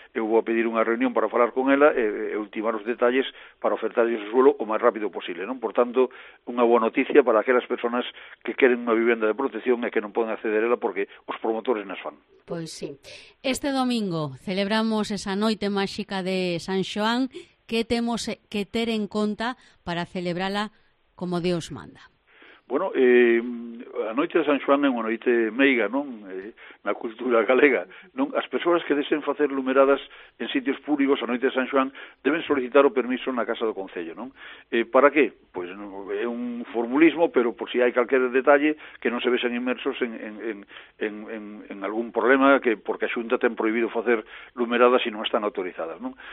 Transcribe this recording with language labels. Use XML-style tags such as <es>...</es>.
<gl>Eu vou a pedir unha reunión para falar con ela e ultimar os detalles para ofertar ese suelo o máis rápido posible, non? Por tanto, unha boa noticia para aquelas personas que queren unha vivenda de protección e que non poden acceder a ela porque os promotores nas fan. Pois sí. Este domingo celebramos esa noite máxica de San Xoán.</gl> <es>¿Qué tenemos que tener en cuenta para celebrarla como Dios manda?</es> <gl>Bueno, a noite de San Xoán é unha noite meiga, non? Na cultura galega, non? As persoas que deseen facer lumeradas en sitios públicos a noite de San Xoán deben solicitar o permiso na Casa do Concello, non? Para que? Pois non, é un formulismo, pero por si hai calquer detalle que non se vexan inmersos en algún problema, que porque a Xunta ten prohibido facer lumeradas e non están autorizadas, non?</gl>